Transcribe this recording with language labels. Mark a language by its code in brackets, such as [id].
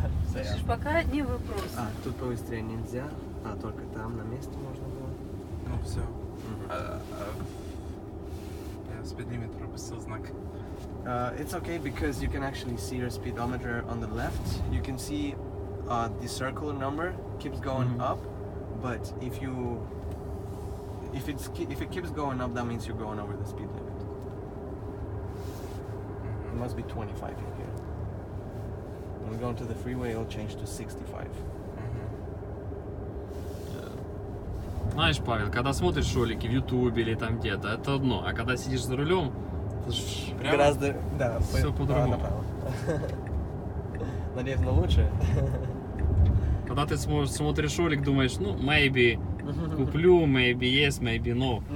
[ru] Слышишь, пока одни вопросы. А, тут побыстрее нельзя, а только там на месте можно было. Ну все. Я спидометр пропустил знак. [en] It's okay because you can actually see your speedometer on the left. You can see the circle number keeps going up, but if it keeps going up, that means you're going over the speed limit. It must be 25 in here. we go onto the freeway, it'll change to 65. [ru] Знаешь, Павел, когда смотришь ролики в Ютубе или там где-то, это одно. А когда сидишь за рулем, это прям гораздо, да, все по-другому. Надеюсь, на лучшее. Когда ты смотришь ролик, думаешь, ну, maybe куплю, [en] maybe yes, maybe no.